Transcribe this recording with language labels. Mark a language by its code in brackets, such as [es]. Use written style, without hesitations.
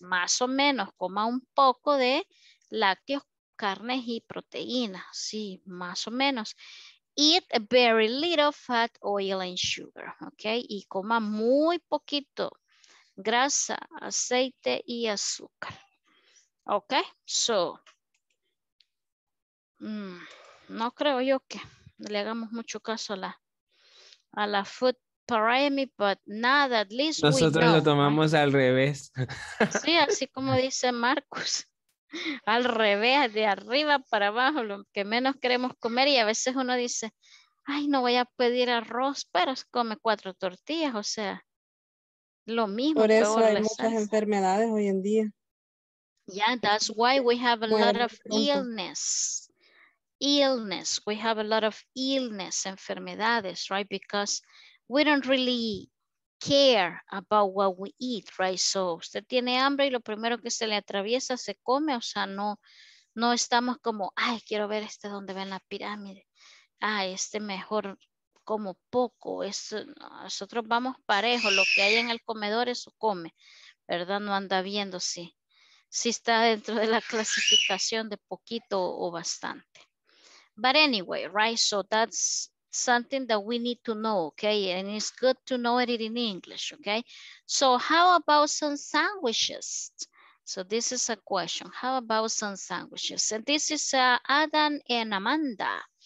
[es] Más o menos, coma un poco de lácteos, carnes y proteínas. Sí, más o menos. [en] Eat very little fat, oil, and sugar, okay? [es] Y coma muy poquito grasa, aceite y azúcar, okay? So, no creo yo que le hagamos mucho caso a la food pyramid, [en] but not at least [es] nosotros [en] we know, [es] lo tomamos, right? Al revés. Sí, así como dice Marcos. Al revés, de arriba para abajo, lo que menos queremos comer. Y a veces uno dice, ay, no voy a pedir arroz, pero come cuatro tortillas, o sea, lo mismo. Por eso hay muchas enfermedades hoy en día. [en] Yeah, that's why we have a lot of illness. illness. We have a lot of illness, [es] enfermedades, [en] right? Because we don't really care about what we eat, right? [es] So usted tiene hambre y lo primero que se le atraviesa se come, o sea, no, no estamos como, ay, quiero ver este donde ven la pirámide. Ay, este mejor como poco. Es, nosotros vamos parejo, lo que hay en el comedor eso come, ¿verdad? No anda viendo si, si está dentro de la clasificación de poquito o bastante. [en] But anyway, right? So that's something that we need to know, okay? And it's good to know it in English, okay? So how about some sandwiches? So this is a question. How about some sandwiches? And this is Adam and Amanda.